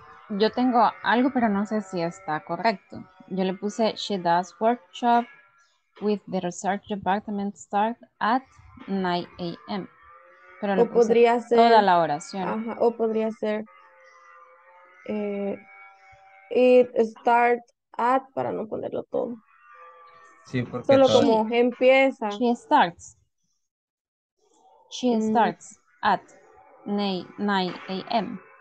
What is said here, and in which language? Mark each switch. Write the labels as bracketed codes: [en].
[es] Yo tengo algo, pero no sé si está correcto. Yo le puse, [en] she does workshop with the research department start at 9 a.m. [es] Pero le puse toda la oración. Ajá, o podría ser, [en] it start at, [es] para no ponerlo todo. Sí, porque solo todo. Como she, empieza. [en] She starts. She starts at 9 a.m.